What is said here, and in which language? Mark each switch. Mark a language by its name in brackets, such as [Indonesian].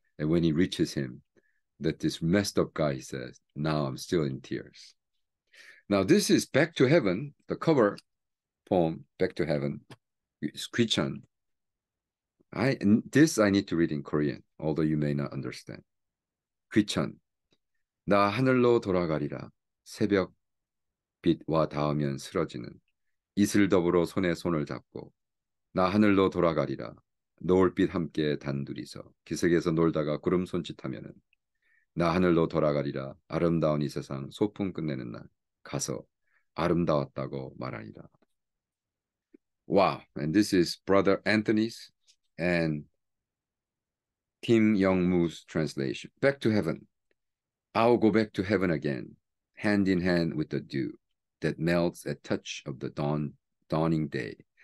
[English] And when he reaches him, that this messed up guy, he says, now I'm still in tears. Now, this is Back to Heaven, the cover poem, Back to Heaven. It's Chun. This I need to read in Korean, although you may not understand. [Korean] Chun. 나 하늘로 돌아가리라. 새벽 빛와 닿으면 쓰러지는 이슬 더불어 손에 손을 잡고 나 하늘로 돌아가리라. 노을빛 함께 단둘이서 기색에서 놀다가 구름 손짓하면은 나 하늘로 돌아가리라. 아름다운 이 세상 소풍 끝내는 날 가서 아름다웠다고 말하리라. [English] Wow, and this is Brother Anthony's and Kim Young-moo's translation. Back to heaven. I'll go back to heaven again, hand in hand with the dew that melts at touch of the dawning day.